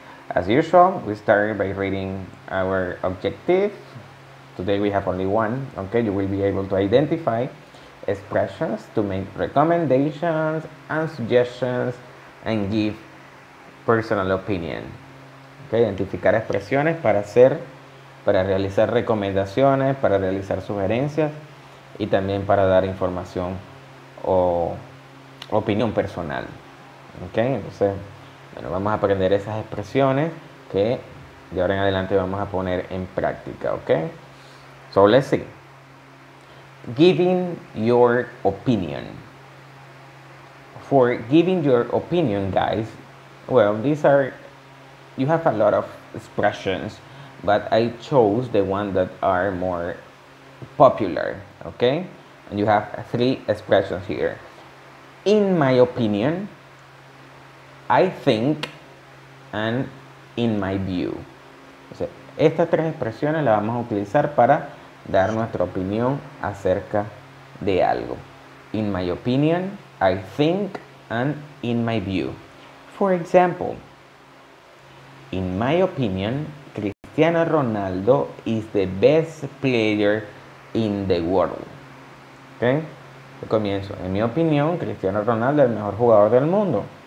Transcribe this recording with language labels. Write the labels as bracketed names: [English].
[English] As usual, we start by reading our objective. Today we have only one, okay? You will be able to identify expressions to make recommendations and suggestions and give personal opinion. [Spanish] Okay, identificar expresiones para hacer, para realizar recomendaciones, para realizar sugerencias y también para dar información o opinión personal. Okay, entonces, bueno, vamos a aprender esas expresiones que de ahora en adelante vamos a poner en práctica. [English] Okay, so let's see. Giving your opinion. For giving your opinion, guys, well, these are, you have a lot of expressions, but I chose the ones that are more popular, okay? And you have three expressions here. In my opinion, I think, and in my view. [Spanish] O sea, estas tres expresiones las vamos a utilizar para dar nuestra opinión acerca de algo. [English] In my opinion, I think, and in my view. For example, in my opinion, Cristiano Ronaldo is the best player in the world. [Spanish] Okay? Yo comienzo. En mi opinión, Cristiano Ronaldo es el mejor jugador del mundo.